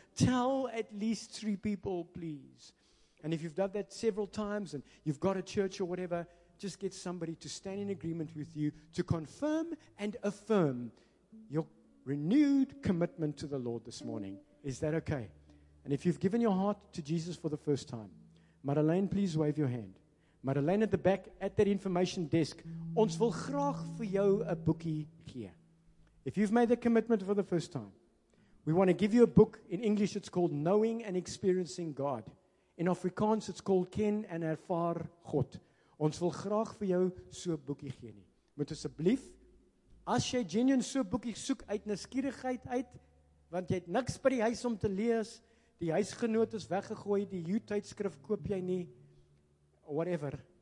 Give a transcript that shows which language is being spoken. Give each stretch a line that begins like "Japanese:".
English: Tell at least three people, please. And if you've done that several times and you've got a church or whatever, just get somebody to stand in agreement with you to confirm and affirm your renewed commitment to the Lord this morning. Is that okay? And if you've given your heart to Jesus for the first time, Madeleine, please wave your hand. Madeleine at the back at that information desk.
Afrikaans: Ons wil graag vir jou 'n boekie gee.
English: If you've made the commitment for the first time, we want to give you a book. In English, it's called Knowing and Experiencing God. In Afrikaans, it's called Ken en Ervaar God.
Afrikaans: Ons wil graag vir jou so 'n boekie gee nie. Moet asseblief, as jy genuine so 'n boekie soek uit nuuskierigheid uit, want jy het niks by die huis om te lees, die huisgenoot is weggegooi, die U-tydskrif koop jy nie, whatever.